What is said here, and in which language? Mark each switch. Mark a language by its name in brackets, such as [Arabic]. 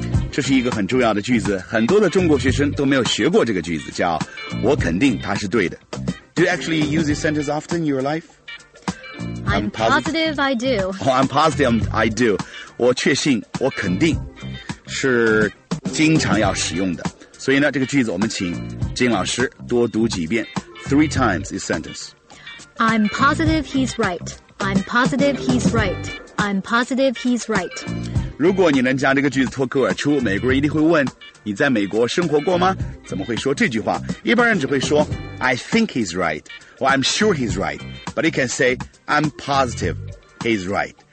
[Chinese] 这是一个很重要的句子，很多的中国学生都没有学过这个句子，叫我肯定他是对的。 [English] Do you actually use this sentence often in your life? I'm positive I do. Oh, I'm positive I do. [Chinese] 我确信，我肯定是经常要使用的。所以呢，这个句子我们请金老师多读几遍。 [English] Three times this sentence. I'm positive he's right. I'm positive he's right. I'm positive he's right. [Chinese] 如果你能将这个句子脱口而出，美国人一定会问，你在美国生活过吗？怎么会说这句话？一般人只会说 [English] I think he's right, or I'm sure he's right, but he can say I'm positive he's right.